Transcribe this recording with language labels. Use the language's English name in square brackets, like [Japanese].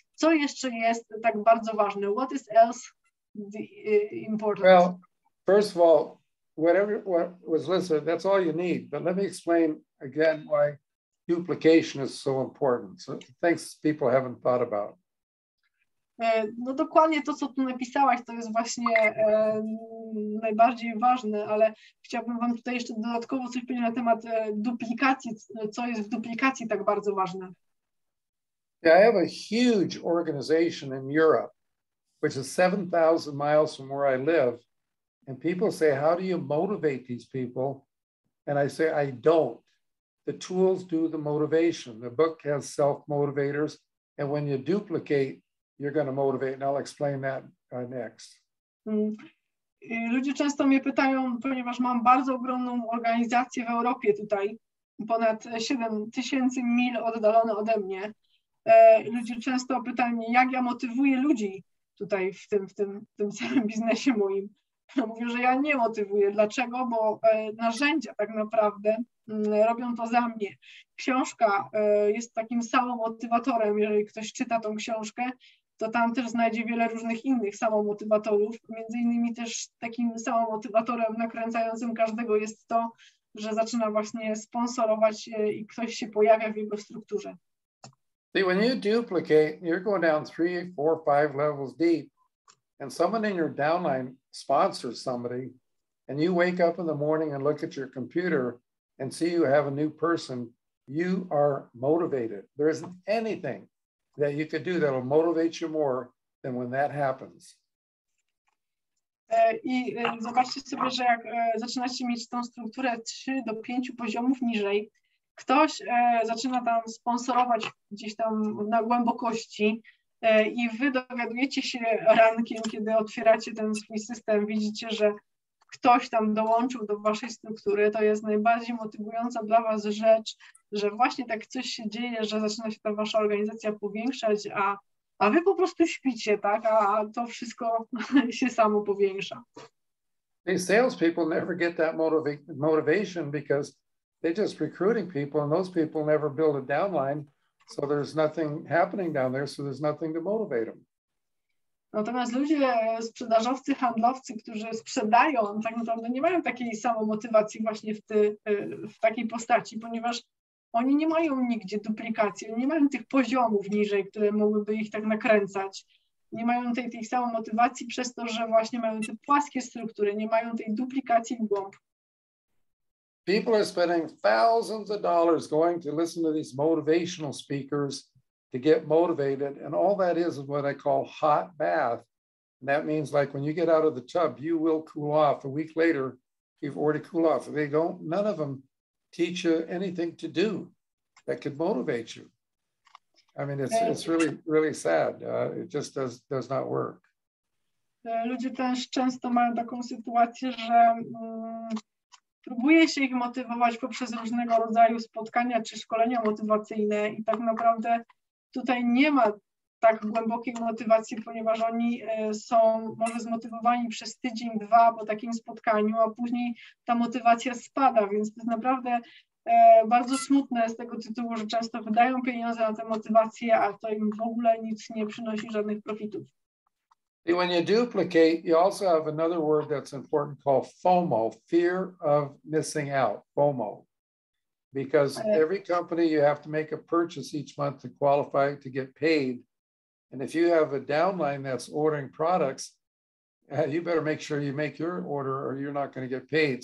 [Polish] Co jeszcze jest tak bardzo ważne? [English] What is else the, important? Well, first of all, whatever what was listed, that's all you need. But let me explain again why duplication is so important. So things people haven't thought about. [Polish] No dokładnie to, co tu napisałaś, to jest właśnie najbardziej ważne, ale chciałbym wam tutaj jeszcze dodatkowo coś powiedzieć na temat duplikacji, co jest w duplikacji tak bardzo ważne. [English] Yeah, I have a huge organization in Europe, which is 7,000 miles from where I live, and people say, how do you motivate these people? And I say, I don't. The tools do the motivation. The book has self-motivators, and when you duplicate, you're going to motivate, and I'll explain that next. [Polish] Ludzie często mnie pytają, ponieważ mam bardzo ogromną organizację w Europie tutaj, ponad 7000 mil oddalone ode mnie. Ludzie często pytają mnie, jak ja motywuję ludzi tutaj w tym samym biznesie moim. Mówię, że ja nie motywuję. Dlaczego? Bo narzędzia tak naprawdę robią to za mnie. Książka jest takim samomotywatorem. Jeżeli ktoś czyta tą książkę, to tam też znajdzie wiele różnych innych samomotywatorów. Między innymi też takim samomotywatorem nakręcającym każdego jest to, że zaczyna właśnie sponsorować i ktoś się pojawia w jego strukturze. [English] See, when you duplicate, you're going down 3, 4, 5 levels deep, and someone in your downline sponsors somebody, and you wake up in the morning and look at your computer and see you have a new person, you are motivated. There isn't anything that you could do that will motivate you more than when that happens. [Polish] I zobaczcie sobie, że jak zaczynacie mieć tą strukturę 3 do 5 poziomów niżej, ktoś zaczyna tam sponsorować gdzieś tam na głębokości i wy dowiadujecie się rankiem, kiedy otwieracie ten swój system, widzicie, że ktoś tam dołączył do waszej struktury. To jest najbardziej motywująca dla was rzecz, że właśnie tak coś się dzieje, że zaczyna się ta wasza organizacja powiększać, a wy po prostu śpicie, tak? A to wszystko się samo powiększa. [English] These salespeople never get that motivation because they're just recruiting people and those people never build a downline. So there's nothing happening down there, so there's nothing to motivate them. [Polish] Natomiast ludzie, sprzedażowcy, handlowcy, którzy sprzedają, tak naprawdę nie mają takiej samomotywacji właśnie w takiej postaci, ponieważ oni nie mają nigdzie duplikacji, nie mają tych poziomów niżej, które mogłyby ich tak nakręcać. Nie mają tej samomotywacji przez to, że właśnie mają te płaskie struktury, nie mają tej duplikacji w głąb. [English] People are spending thousands of dollars going to listen to these motivational speakers to get motivated. And all that is what I call hot bath. And that means like when you get out of the tub, you will cool off. A week later, you've already cooled off. They don't, none of them teach you anything to do that could motivate you. I mean, it's really, really sad. It just does not work. [Polish] Ludzie też często mają taką sytuację, że próbuje się ich motywować poprzez różnego rodzaju spotkania czy szkolenia motywacyjne i tak naprawdę tutaj nie ma tak głębokiej motywacji, ponieważ oni są może zmotywowani przez tydzień, dwa po takim spotkaniu, a później ta motywacja spada, więc to jest naprawdę bardzo smutne z tego tytułu, że często wydają pieniądze na tę motywację, a to im w ogóle nic nie przynosi żadnych profitów. [English] And when you duplicate, you also have another word that's important called FOMO, fear of missing out, FOMO. Because every company, you have to make a purchase each month to qualify to get paid. And if you have a downline that's ordering products, you better make sure you make your order or you're not going to get paid.